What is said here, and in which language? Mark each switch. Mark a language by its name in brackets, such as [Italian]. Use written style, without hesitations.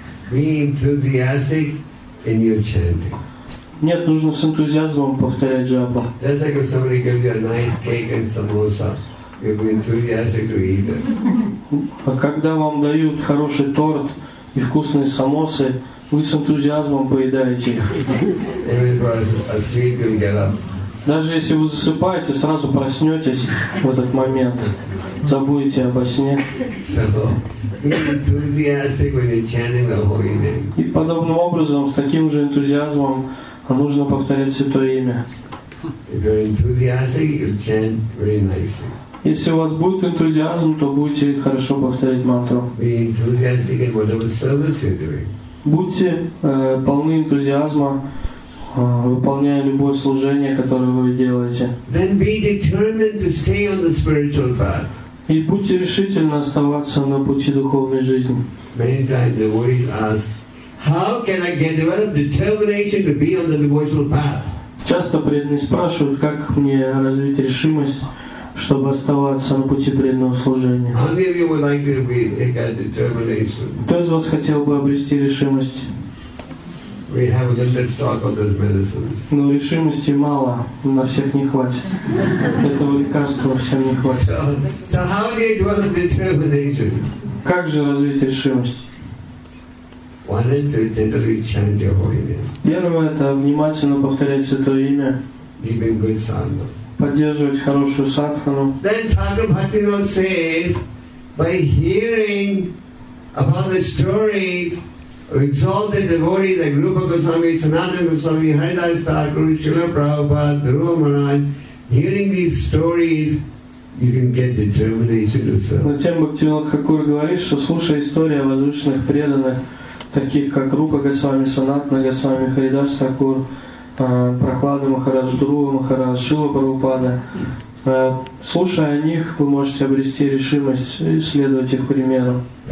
[English] Be enthusiastic in your chanting. [Russian] Нет, нужно с энтузиазмом повторять джапу. [English] Just like if somebody gives you a nice cake and samosa, you'll be enthusiastic to eat it. [Russian] А когда вам дают хороший торт и вкусные самосы, вы с энтузиазмом поедаете их. [English] Even if you're asleep, you'll get up. [Russian] Даже если вы засыпаете, сразу проснетесь в этот момент, забудете обо сне. [English] So, enthusiastic when you're chanting the Holy Name. [Russian] И подобным образом, с таким же энтузиазмом, а нужно повторять Святое Имя. [English] If you're enthusiastic, you'll chant very nicely. [Russian] Если у вас будет энтузиазм, то будете хорошо повторять мантру. [English] Be enthusiastic in whatever service you're doing. [Russian] Будьте полны энтузиазма, выполняя любое служение, которое вы делаете. [English] Then be determined to stay on the spiritual path. [Russian] И будьте решительно оставаться на пути духовной жизни. [English] Many times the worries ask, how can I get developed determination to be on the devotional path? [Russian] Часто преданные спрашивают, как мне развить решимость, чтобы оставаться на пути преданного служения. [English] How many of you would like to be a determination? [Russian] Кто из вас хотел бы обрести решимость? [English] We have a limited stock of those medicines. [Russian] Но решимости мало, на всех не хватит. Этого лекарства всем не хватит. [English] So how do you develop determination? [Russian] Как же развить решимость? [English] One is to gently chant your holy name. [Russian] Первое — это внимательно повторять Святое Имя. [English] Keeping good sadhana. [Russian] Поддерживать хорошую садхану. [English] Then Thakur Bhaktivinoda says, by hearing about the stories of exalted devotees like Rupa Goswami, Sanatana Goswami, Haridas Thakur, Srila Prabhupada, Dhruva Maharaj, hearing these stories, you can get determination to serve. [Russian] Но тем Бхактивинода Хакур говорит, что слушая истории о возвышенных преданных, таких как Рупа Госвами, Санатана Госвами, Харидас Такур, Прохлада Махарадж, Друва Махарадж, Шила Прабхупада. Слушая о них, вы можете обрести решимость и следовать их примеру.